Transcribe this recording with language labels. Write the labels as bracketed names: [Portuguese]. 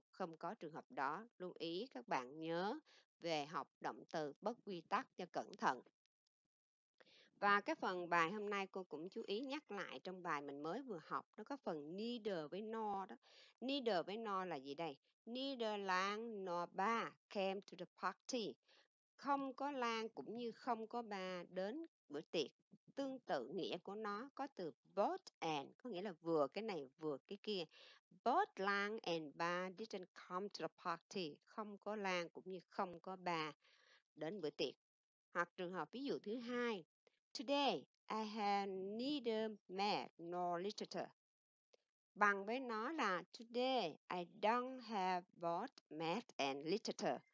[Vietnamese] Không có trường hợp đó. Lưu ý các bạn nhớ về học động từ bất quy tắc cho cẩn thận. Và cái phần bài hôm nay cô cũng chú ý nhắc lại trong bài mình mới vừa học. Nó có phần neither với nor đó. Neither với nor là gì đây? [English] Neither Lan nor Ba came to the party. [Vietnamese] Không có Lan cũng như không có Ba đến bữa tiệc. Tương tự nghĩa của nó có từ both and, có nghĩa là vừa cái này vừa cái kia. [English] Both Lan and Ba didn't come to the party. [Vietnamese] Không có Lan cũng như không có Ba đến bữa tiệc. Hoặc trường hợp ví dụ thứ hai. [English] Today, I have neither math nor literature. [Vietnamese] Bằng với nó là [English] today, I don't have both math and literature.